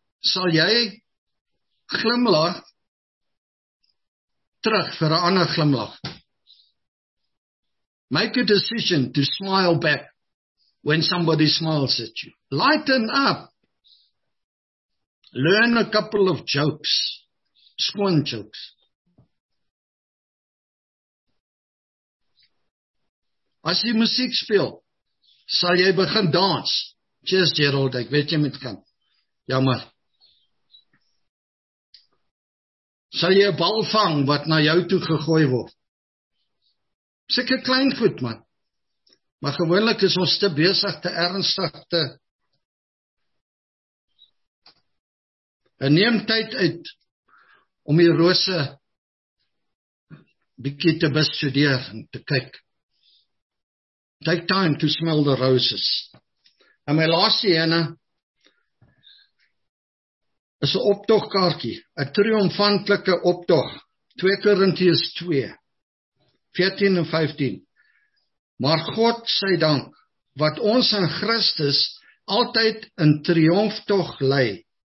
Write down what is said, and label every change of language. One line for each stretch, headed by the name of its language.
Afrikaans: Sal jy glimlach terug vir 'n ander glimlach?
English: Make a decision to smile back when somebody smiles at you. Lighten up. Learn a couple of jokes. Squon jokes.
Afrikaans: As jy musiek speel, sal jy begin dans. Cheers Gerald, ek weet jy moet kan. Jammer. Sal jy 'n bal vang wat na jou toe gegooi word? Sikke klein voet, man. Maar gewoonlik is ons te besig, te ernstig, te... En neem tyd uit om die rose bietjie te bestudeer en te kyk.
English: Take time to smell the roses.
Afrikaans: En my laaste ene is 'n optogkaartjie, 'n triomfantelike optog. 2 Korintiërs 2, 14 en 15. Maar God sy dank, wat ons in Christus altyd in triomftog lei.